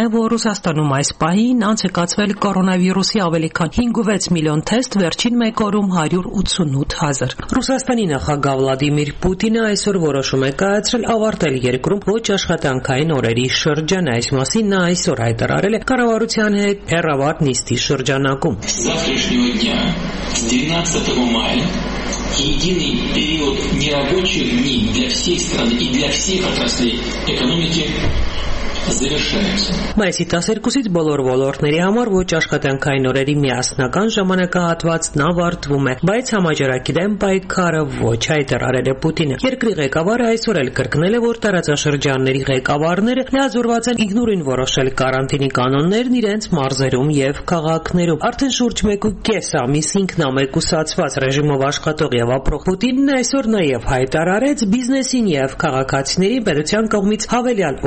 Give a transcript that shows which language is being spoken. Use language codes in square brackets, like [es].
[hy] որ Ռուսաստանում այս պահին անցկացվել կորոնավիրուսի ավելի քան 5.6 միլիոն թեստ, վերջին մեկ օրում 188,000։ Ռուսաստանի նախագահ Վլադիմիր Պուտինը այսօր որոշում է կայացրել ավարտել երկրում ոչ աշխատանքային օրերի շրջան, այս մասին նա այսօր հայտարարել է կառավարության հետ հեռավար նիստի շրջանակում։ [ru] единый период нерабочих дней для всей страны и для всех отраслей экономики. [hy] Մայիսի 12-ից բոլոր ոլորտների համար ոչ աշխատանքային օրերի միասնական ժամանակահատվածն ավարտվում է, բայց համաճարակի դեմ պայքարը ոչ այդ առել է Պուտինը։ Երկրի ղեկավարը այսօր էլ կրկնել է, որ տարածաշրջանների ղեկավարները միաձուլված են ինքնուրույն որոշել կարանտինի կանոններն իրենց մարզերում և քաղաքներում։ Արդեն շուրջ 1.5 ամիս ինքնամեկուսացված ռեժիմով աշխատող և ապրող Պուտինն այսօր նաև հայտարարեց բիզնեսին և քաղաքացիներին պետության կողմից հավելյալ